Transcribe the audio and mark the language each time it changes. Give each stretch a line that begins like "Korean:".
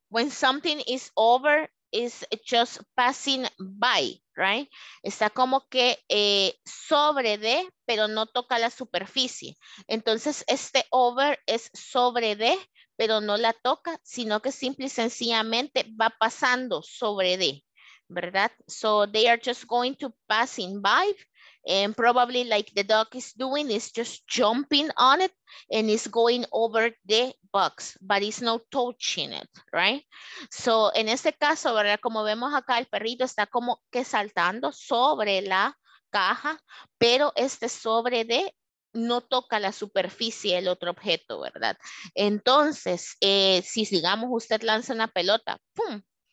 English: When something is over, is just passing by, right?
Spanish: Está como que sobre de, pero no toca la superficie. Entonces, este over es sobre de, pero no la toca, sino que simple y sencillamente va pasando sobre de, ¿verdad?
English: So, they are just going to passing by, and probably like the dog is doing, is just jumping on it, and is going over the box, but it's not touching it, right?
Spanish: So, en este caso, ¿verdad? Como vemos acá, el perrito está como que saltando sobre la caja, pero este sobre de no toca la superficie del otro objeto, ¿verdad? Entonces, si digamos, usted lanza una pelota, ¡pum!